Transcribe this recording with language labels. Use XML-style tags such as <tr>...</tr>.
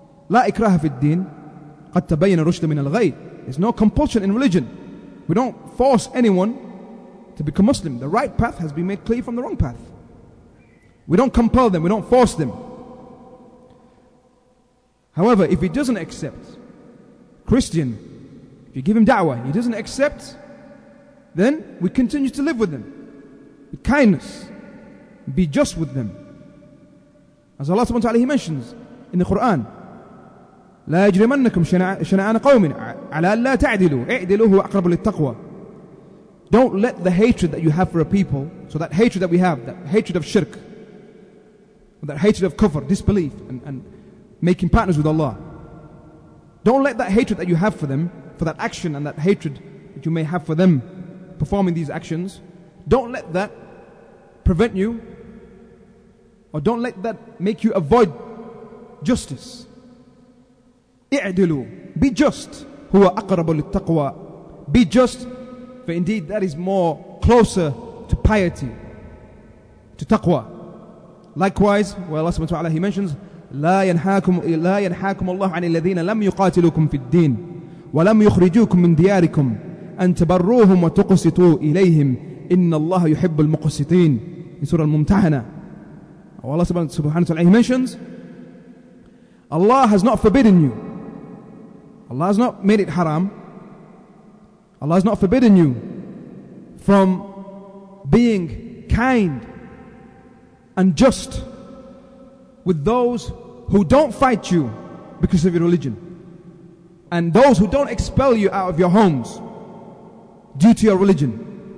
<ar>لا إكراه في الدين قد تبين رشد من الغي.</ar> <en>There's no compulsion in religion. We don't force anyone to become Muslim. The right path has been made clear from the wrong path. We don't compel them, we don't force them. However, if he doesn't accept, Christian, if you give him da'wah, he doesn't accept, then we continue to live with them. With kindness. Be just with them. As Allah subhanahu wa ta'ala, He mentions in the Quran,</en> <ar>لا يجرمنكم شنعان قوم على لا تعدلوا اعدلوا هو أقرب للتقوى.</ar> <en>Don't let the hatred that you have for a people, so that hatred that we have, that hatred of shirk, that hatred of kufr, disbelief, and making partners with Allah. Don't let that hatred that you have for them, for that action and that hatred that you may have for them performing these actions, don't let that prevent you, or don't let that make you avoid justice.</en> <ar>اعدلوا,</ar> <en>be just,</en> <ar>هو أقرب للتقوى,</ar> <en>be just, for indeed that is more closer to piety, to taqwa. Likewise, where Allah subhanahu wa ta'ala, He mentions,</en> <ar>لا ينحاكم الله عن الذين لم يقاتلوكم في الدين ولم يخرجوكم من دياركم أن تبروهم وتقسطوا إليهم إن الله يحب المقسطين.</ar> <en>In Surah Al-Mumtahana, Allah subhanahu wa ta'ala, He mentions, Allah has not forbidden you. Allah has not made it haram. Allah has not forbidden you from being kind and just with those who don't fight you because of your religion, and those who don't expel you out of your homes due to your religion.</en>